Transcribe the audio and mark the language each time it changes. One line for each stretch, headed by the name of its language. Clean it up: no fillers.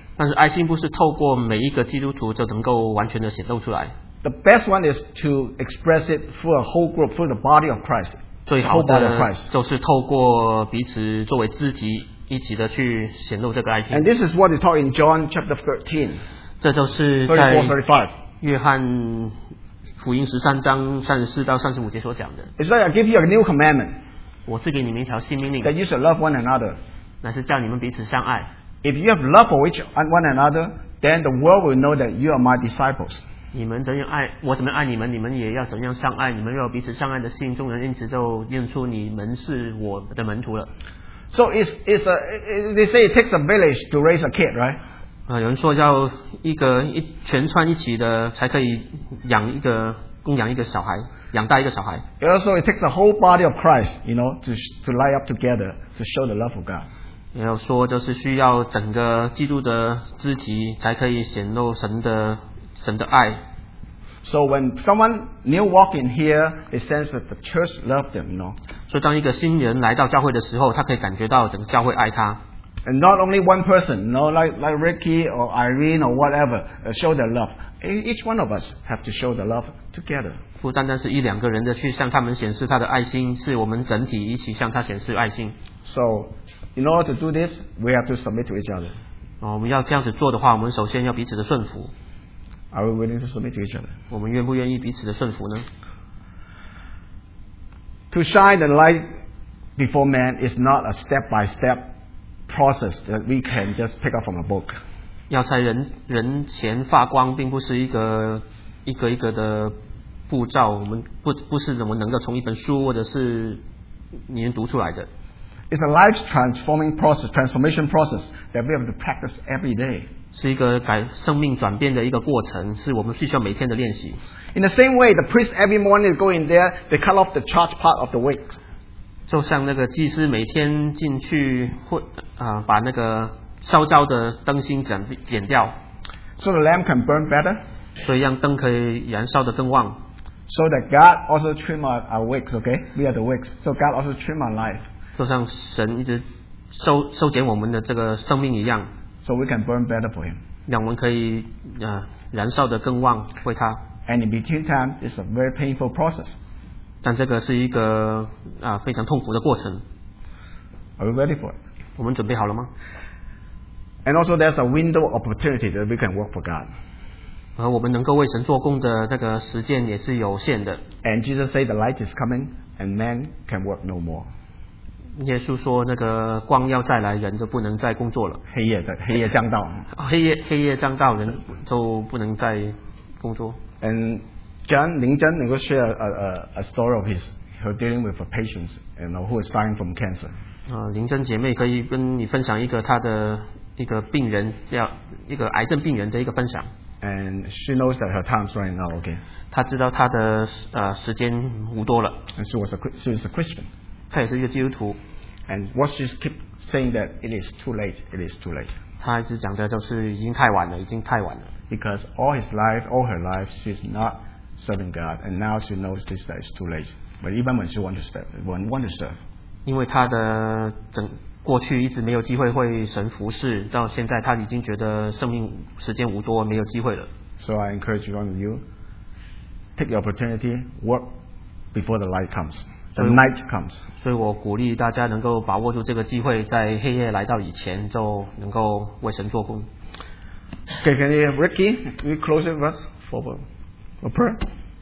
Chinese: 但是爱心不是透过每一个基督徒就能够完全的显露出来。
English: The best one is to express it through a whole group, through the body of Christ.
Chinese: 最好的就是透过彼此作为肢体一起的去显露这个爱心。
English: And this is what is taught in John chapter 13.
Chinese: 这就是在约翰福音13:34-35所讲的。
English: It's like I give you a new commandment.
Chinese: 我是给你们一条新命令。
English: That you should love one another.
Chinese: 那是叫你们彼此相爱。
English: If you have love for each one another, then the world will know that you are my disciples.
Chinese: 你们怎样爱我，怎么爱你们，你们也要怎样相爱。你们要彼此相爱的心，众人因此就认出你们是我的门徒了。
English: So they say it takes a village to raise a kid, right?
Chinese: 有人说要全串一起的才可以供养一个小孩。养大一个小孩。
English: Also, it takes the whole body of Christ, you know, to light up together to show the love of God.
Chinese: 也要说，就是需要整个基督的肢体才可以显露神的爱。
English: So when someone new walk in here, they sense that the church loves them, you know.
Chinese: 所以当一个新人来到教会的时候，他可以感觉到整个教会爱他。
English: And not only one person, you know, like Ricky or Irene or whatever, show their love. Each one of us have to show the love together.
Chinese: 不单单是一两个人的去向他们显示他的爱心，是我们整体一起向他显示爱心。
English: So in order to do this, we have to submit to each other.
Chinese: 哦，我们要这样子做的话，我们首先要彼此的顺服。
English: Are we willing to submit to each other?
Chinese: 我们愿不愿意彼此的顺服呢？
English: To shine the light before man is not a step-by-step process that we can just pick up from a book.
Chinese: 要在人前发光，并不是一个的步骤，我们不是怎么能够从一本书或者是你们读出来的。
English: It's a life transforming process, transformation process that we have to practice every day.
Chinese: 是一个改生命转变的一个过程，是我们需要每天的练习。
English: In the same way, the priest every morning go in there, they cut off the charge part of the wick.
Chinese: 就像那个祭司每天进去会把那个烧焦的灯芯剪掉。
English: So the lamp can burn better.
Chinese: 所以让灯可以燃烧得更旺。
English: So that God also trim our wicks, okay? We are the wicks. So God also trim our life.
Chinese: 就像神一直收剪我们的这个生命一样。
English: So we can burn better for him.
Chinese: 让我们可以燃烧得更旺为他。
English: And in between time, it's a very painful process.
Chinese: 但这个是一个非常痛苦的过程。
English: Are we ready for it?
Chinese: 我们准备好了吗？
English: And also there's a window opportunity that we can work for God.
Chinese: 而我们能够为神做工的这个时间也是有限的。
English: And Jesus said the light is coming, and man can work no more.
Chinese: 耶稣说那个光要再来，人就不能再工作了。黑夜降到。黑夜降到，人就不能再工作。
English: And John
Chinese: 林真能够
English: share a story of her dealing with a patient, and who is dying from cancer.
Chinese: 林真姐妹可以跟你分享一个她的一个病人要一个癌症病人的一个分享。
English: And she knows that her time's running out. Okay.
Chinese: 她知道她的时间无多了。
English: And she was a Christian.
Chinese: 她也是一个基督徒。
English: And what she keep saying that it is too late. It is too late.
Chinese: 她一直讲的就是已经太晚了。
English: Because all her life, she's not serving God, and now she knows this that it's too late. But even when she wants to serve.
Chinese: 因为她的整过去一直没有机会为神服侍，到现在他已经觉得生命时间无多，没有机会了。
English: So I encourage one of you, take the opportunity, work before the light comes, the night comes.
Chinese: 所以我鼓励大家能够把握住这个机会，在黑夜来到以前就能够为神做工。
English: Okay, can you, Ricky, can you close it with us for a prayer?